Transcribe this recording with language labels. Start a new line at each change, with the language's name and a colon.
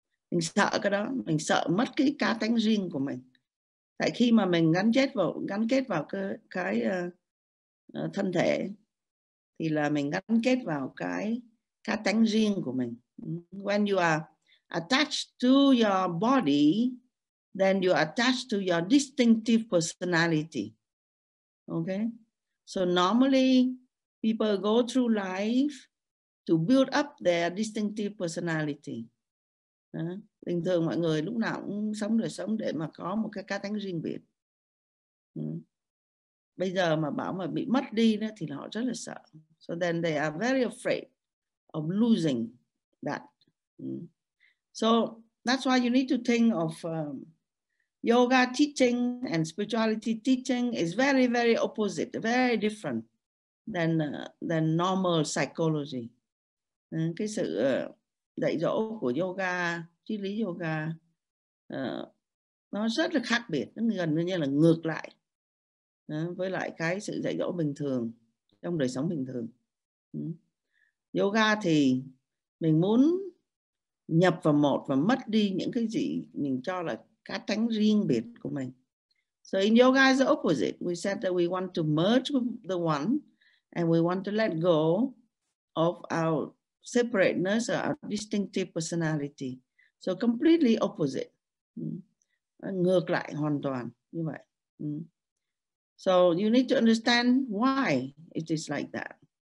Vietnamese: Mình sợ cái đó, mình sợ mất cái cá tánh riêng của mình. Tại khi mà mình gắn kết vào cái thân thể thì là mình gắn kết vào cái cá tánh riêng của mình.
English: When you are attached to your body, then you are attached to your distinctive personality. Okay? So normally people go through life to build up their distinctive personality.
Vietnamese: Bình thường mọi người lúc nào cũng sống đời sống để mà có một cái cá tánh riêng biệt. Bây giờ mà bảo mà bị mất đi đó, thì họ rất là sợ.
English: So then they are very afraid of losing that. So that's why you need to think of yoga teaching and spirituality teaching is very, very opposite, very different than normal psychology.
Vietnamese: Cái sự dạy dỗ của yoga, triết lý yoga, nó rất là khác biệt, nó gần như là ngược lại với lại cái sự dạy dỗ bình thường trong đời sống bình thường. Yoga thì mình muốn nhập vào một và mất đi những cái gì mình cho là cá tánh riêng biệt của mình.
English: So in yoga is the opposite. We said that we want to merge with the one and we want to let go of our separateness or our distinctive personality. So completely opposite.
Vietnamese: Ngược lại hoàn toàn như vậy.
English: So you need to understand why it is like that.